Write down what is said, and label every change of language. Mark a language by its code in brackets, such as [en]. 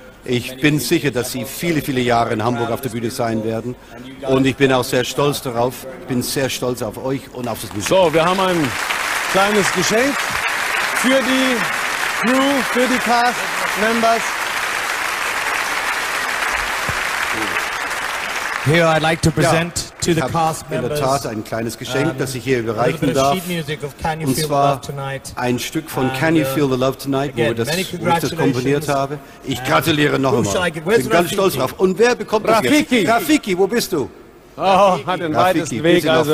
[de] Ich bin sicher, dass Sie viele, viele Jahre in Hamburg auf der Bühne sein werden und ich bin auch sehr stolz darauf. Ich bin sehr stolz auf euch und auf das Musik. So, wir haben ein kleines Geschenk für die Crew, für die Cast-Members. [en] Here I'd like to present ja, to the cast members [de] in der Tat ein kleines Geschenk, das ich hier überreichen darf. Und zwar ein Stück von Can You Feel the Love Tonight, wo ich das komponiert habe. Ich gratuliere noch einmal. Ich bin ganz stolz drauf. Und wer bekommt das Rafiki. Jetzt? Rafiki, wo bist du? Oh, hat den weitesten Weg, also